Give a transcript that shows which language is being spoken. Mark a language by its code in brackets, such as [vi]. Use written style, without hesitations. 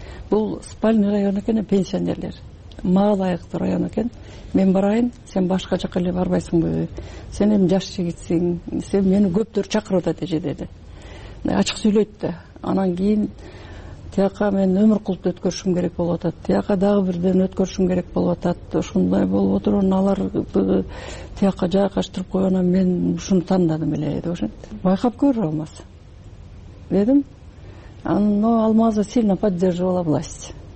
[ky] Бул спальный район экен, пенсионерлер. Мага ылайыктуу район экен. Мен барайын, сен башка жака эле барбайсыңбы? Сен эми жаш жигитсиң, сен мени көптөр чакырып атат эже деди. Ачык сүйлөйт да. Анан кийин тияка мен өмүр кылып өткөрүшүм керек болуп атат, тияка дагы бирден өткөрүшүм керек болуп атат, ушундай болуп отуруп анан аларды тияка жайгаштырып койгонан мен ушуну тандадым эле деп ошентип. Байкап көрүр Алмаз дедим. [ru] Но Алмаза сильно поддерживала власть.